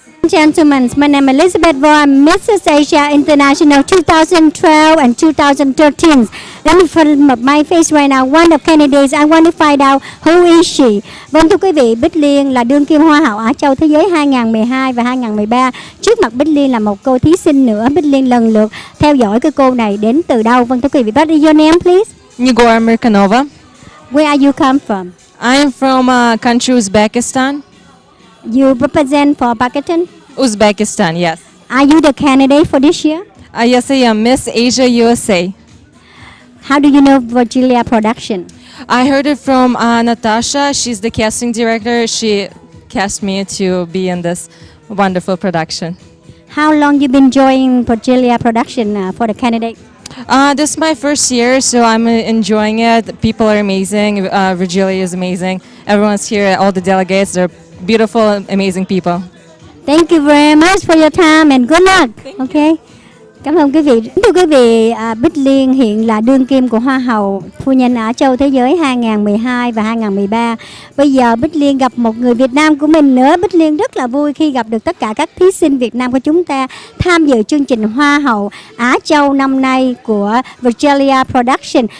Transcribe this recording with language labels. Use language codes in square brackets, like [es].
[en] Gentlemen, my name is Elizabeth Vaughan, Mrs. Asia International 2012 and 2013. Let me film up my face right now. One of candidates, I want to find out who is she. [vi] Vâng, thưa quý vị, Bích Liên là đương kim Hoa hậu Á Châu Thế giới 2012 và 2013. Trước mặt Bích Liên là một cô thí sinh nữa. Bích Liên lần lượt theo dõi cái cô này đến từ đâu. Vâng, thưa quý vị, [en] what is your name, please? Nigo Amerikanova. Where are you come from? I am from country Uzbekistan. You represent for Pakistan? Uzbekistan, yes. Are you the candidate for this year? Yes, I am. Miss Asia USA. How do you know Virgilia Production? I heard it from Natasha. She's the casting director. She cast me to be in this wonderful production. How long you been joining Virgilia Production for the candidate? This is my first year, so I'm enjoying it. People are amazing. Virgilia is amazing. Everyone's here, all the delegates. They're beautiful, amazing people. Thank you very much for your time and good luck. [vi] Okay. Cảm ơn quý vị. Thưa quý vị, Bích Liên hiện là đương kim của Hoa hậu Phu nhân Á Châu Thế giới 2012 và 2013. Bây giờ Bích Liên gặp một người Việt Nam của mình nữa. Bích Liên rất là vui khi gặp được tất cả các thí sinh Việt Nam của chúng ta tham dự chương trình Hoa hậu Á Châu năm nay của Virgilia Production.